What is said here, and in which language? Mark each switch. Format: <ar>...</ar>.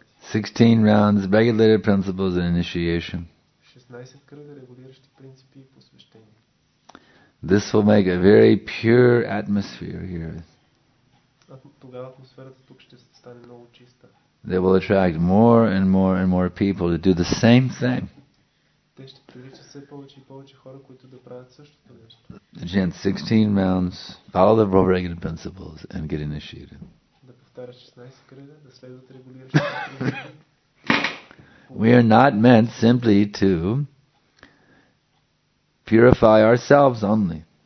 <en>16 rounds, regulated principles and initiation.</en> <bg>16 кръга регулиращи принципи и посвещение.</bg> <en>This will make a very pure atmosphere here.</en> <bg>Тогава атмосферата тук ще стане много чиста.</bg> <en>They will attract more and more and more people to do the same thing.</en> <bg>Те ще привличат все повече и повече хора, които да правят същото нещо.</bg> <en>Chant 16 rounds, follow the four regular principles and get initiated.</en> <bg>Да повтаря 16 кръга, да следват регулиращи принципи.</bg> <en>We are not meant simply to purify ourselves only.</en>